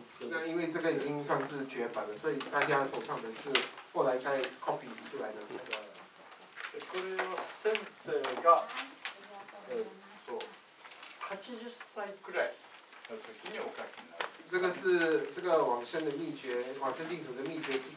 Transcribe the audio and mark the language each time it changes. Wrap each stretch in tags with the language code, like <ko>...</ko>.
<zh>那因为这个已经算是绝版了，所以大家手上的是后来再 copy 出来的。</zh> <ja>これは先生が80歳くらいの時にお書きになる。</ja> <zh>这个是这个往生的秘诀，往生净土的秘诀是。</zh>